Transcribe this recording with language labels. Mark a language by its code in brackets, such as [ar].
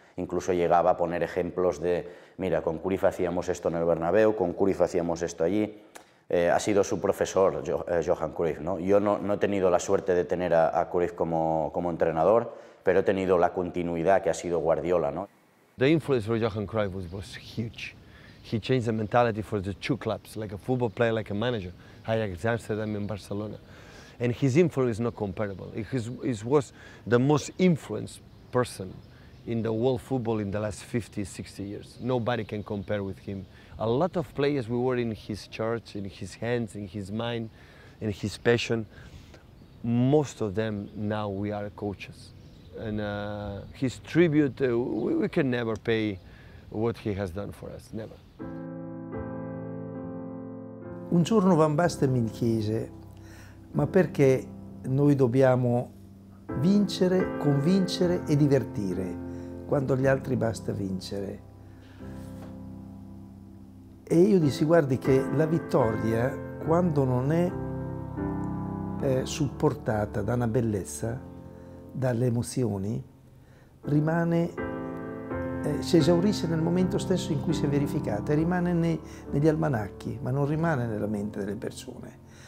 [es] Incluso llegaba a poner ejemplos de, mira, con Cruyff hacíamos esto en el Bernabéu, con Cruyff hacíamos esto allí. Ha sido su profesor, Johan Cruyff, ¿no? Yo no he tenido la suerte de tener a Cruyff como entrenador, pero he tenido la continuidad que ha sido Guardiola, ¿no? [en] The influence for Johan Cruyff was huge. He changed the mentality for the two clubs, like a football player, like a manager, Ajax Amsterdam and Barcelona. And his influence is not comparable. He was the most influenced person in the world football in the last 50, 60 years. Nobody can compare with him. A lot of players we were in his charge, in his hands, in his mind, in his passion. Most of them now we are coaches. And his tribute, we can never pay what he has done for us, never. [it] Un giorno Van Basten mi chiese, ma perché noi dobbiamo vincere, convincere e divertire? Quando gli altri basta vincere. E io dissi, guardi che la vittoria, quando non è supportata da una bellezza, dalle emozioni, rimane, si esaurisce nel momento stesso in cui si è verificata, rimane negli almanacchi, ma non rimane nella mente delle persone.